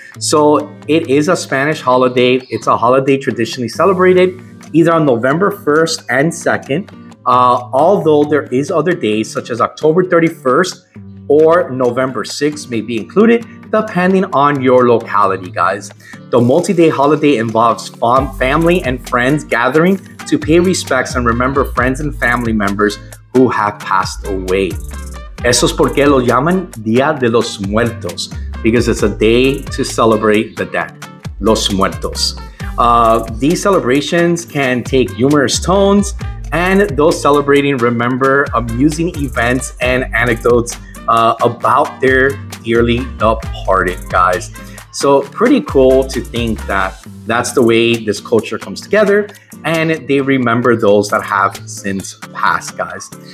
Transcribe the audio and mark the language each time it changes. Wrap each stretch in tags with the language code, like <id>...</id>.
<en>So it is a Spanish holiday. It's a holiday traditionally celebrated either on November 1st and 2nd, although there is other days such as October 31st or November 6th may be included, depending on your locality, guys. The multi-day holiday involves family and friends gathering to pay respects and remember friends and family members who have passed away.</en> <es>Eso es porque lo llaman Día de los Muertos,</es> <en>because it's a day to celebrate the dead,</en> <es>los muertos.</es> <en>These celebrations can take humorous tones, and those celebrating remember amusing events and anecdotes about their dearly departed, guys. So pretty cool to think that that's the way this culture comes together and they remember those that have since passed, guys.</en>